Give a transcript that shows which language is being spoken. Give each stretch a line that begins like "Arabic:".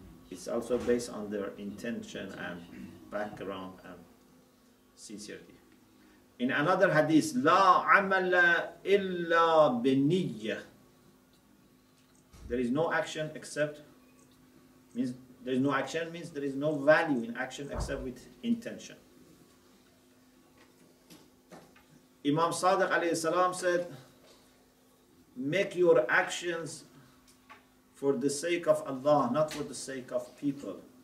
English: It's also based on their intention and background and sincerity. In another hadith,
Arabic: لا عمل إلا بنية.
English: There is no action except, means there is no action, means there is no value in action except with intention. Imam Sadiq alayhi salam said, make your actions for the sake of Allah, not for the sake of people.